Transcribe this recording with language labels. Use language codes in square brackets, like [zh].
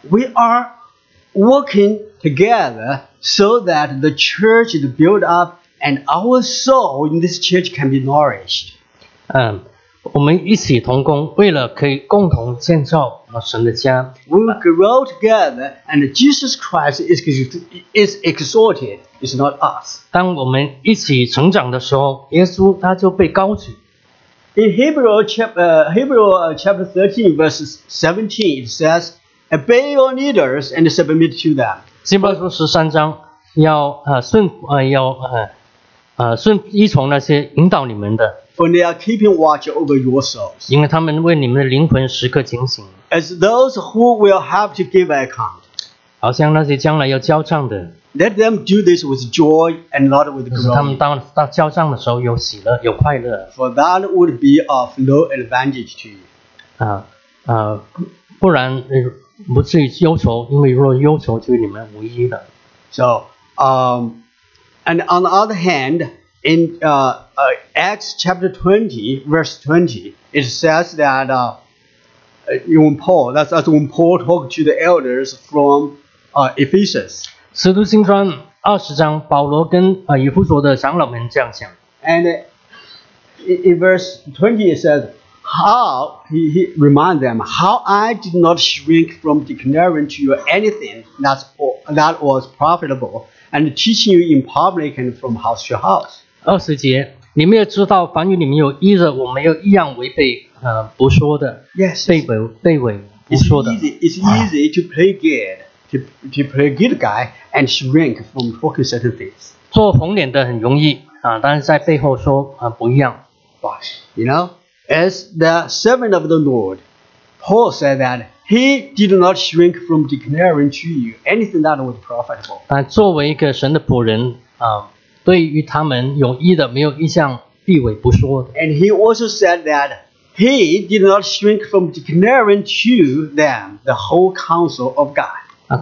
[en] We are walking together so that the church is built up and our soul in this church can be nourished. [zh] 我们一起同工，为了可以共同建造神的家。 [en] We grow together, and Jesus Christ is exalted. It's not us. [zh] 当我们一起成长的时候，耶稣他就被高举。 [en] In Hebrew chapter 13, verse 17, it says, "Obey your leaders and submit to them." [zh] 希伯来书十三章要顺依从那些引导你们的。 [en] For they are keeping watch over your souls. [zh] 因为他们为你们的灵魂时刻警醒。 [en] As those who will have to give account. [zh] 好像那些将来要交账的。 [en] Let them do this with joy and not with groaning. [zh] 他们当交账的时候有喜乐，有快乐。 [en] For that would be of no advantage to you. [zh] 不然不至于忧愁，因为若忧愁，就你们无益的。 [en] So, and on the other hand, in Acts chapter 20, verse 20, it says that when Paul talked to the elders from Ephesus. [zh] 使徒行传二十章，保罗跟以弗所的长老们这样讲。 [en] And in verse 20, it says how he reminds them how I did not shrink from declaring to you anything that was profitable and teaching you in public and from house to house. [zh] 二十节，你们也知道，凡与你们有益的，我没有一样违背，不说的。 [en] Yes. [zh] 背违不说的。 [en] It's easy to play good, to play good guy and shrink from talking certain things. [zh] 做红脸的很容易啊，但是在背后说不一样。 [en] But you know, as the servant of the Lord, Paul said that he did not shrink from declaring to you anything that was profitable. [zh] 但作为一个神的仆人啊。对于他们有益的，没有一项避讳不说的。 [en] And he also said that he did not shrink from declaring to them the whole counsel of God.